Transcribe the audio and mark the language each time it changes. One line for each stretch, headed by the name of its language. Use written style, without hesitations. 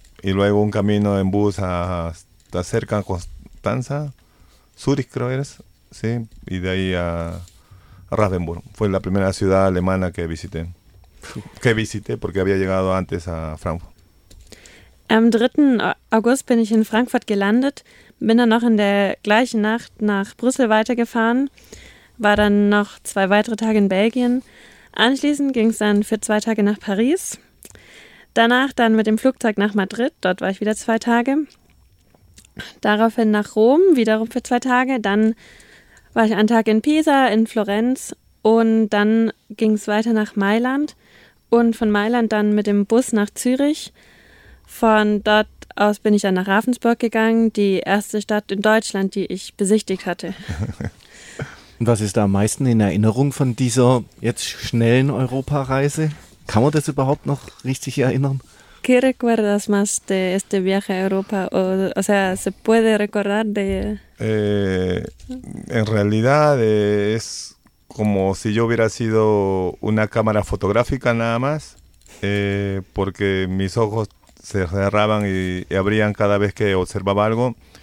Spanish: Y luego un camino en bus hasta cerca de Constanza, Zurich creo eres, sí, y de ahí a Ravensburg. Fue la primera ciudad alemana que visité. Que visité porque había llegado antes a Frankfurt.
German: Am 3. August bin ich in Frankfurt gelandet, bin dann noch in der gleichen Nacht nach Brüssel weitergefahren, war dann noch 2 weitere Tage in Belgien. Anschließend ging es dann für 2 Tage nach Paris. Danach dann mit dem Flugzeug nach Madrid, dort war ich wieder 2 Tage. Daraufhin nach Rom, wiederum für 2 Tage. Dann war ich einen Tag in Pisa, in Florenz und dann ging es weiter nach Mailand und von Mailand dann mit dem Bus nach Zürich. Von dort aus bin ich dann nach Ravensburg gegangen, die erste Stadt in Deutschland, die ich besichtigt hatte. Und was ist da am meisten in Erinnerung von dieser jetzt schnellen Europareise? Kann man das überhaupt noch richtig erinnern?
Spanish: ¿Qué recuerdas más de este viaje a Europa? O sea, ¿se puede recordar de...? En realidad es como si yo hubiera sido una cámara fotográfica nada más, porque mis ojos se cerraban y abrían cada vez que observaba algo.